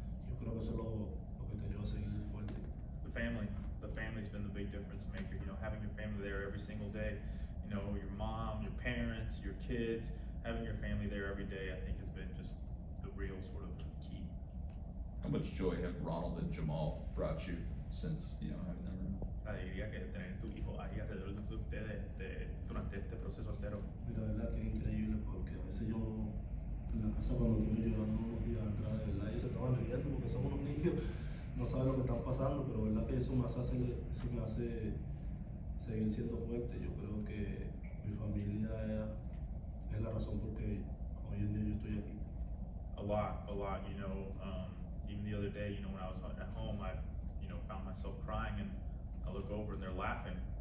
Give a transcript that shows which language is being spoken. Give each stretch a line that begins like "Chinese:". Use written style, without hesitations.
Spanish: Yo creo que eso es lo que te ayuda a seguir fuerte.
English: The family's been the big difference maker. You know, having your family there every single day. Know your mom, your parents, your kids, having your family there every day, I think has been just the real sort of key. How much joy have Ronald and Jamal brought you since, you know, having them around?
Spanish: La alegría que tener tu hijo ahí alrededor de ustedes durante este proceso entero. Mira, verdad que es increíble porque a veces yo en la casa cuando tú me llevas unos días atrás, de verdad, ellos se estaban riendo porque somos unos niños, no saben lo que están pasando, pero verdad que eso me hace seguir siendo fuerte. Yo creo que mi familia es la razón por que hoy en día yo estoy aquí.
English: A lot, you know, even the other day, you know, when I was at home, I, you know, found myself crying and I look over and they're laughing.